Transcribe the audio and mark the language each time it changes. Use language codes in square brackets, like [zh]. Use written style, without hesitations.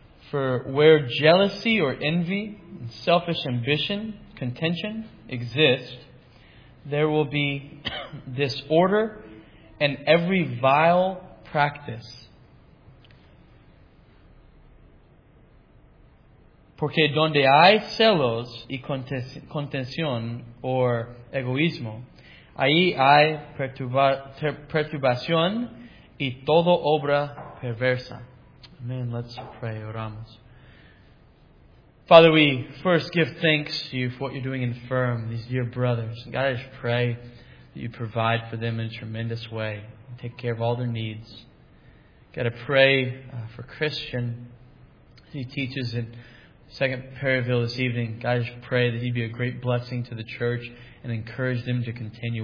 [en] For where jealousy or envy, selfish ambition, contention exist, there will be disorder and every vile practice. [es] Porque donde hay celos y contención o egoísmo, ahí hay perturbación y toda obra perversa. [en] Amen. Let's pray. [es] Oramos. [en] Father, we first give thanks to you for what you're doing in Firm, these dear brothers. God, I just pray that you provide for them in a tremendous way. And take care of all their needs. God, I pray for Christian. He teaches in Second Perryville this evening. God, I just pray that he'd be a great blessing to the church and encourage them to continue.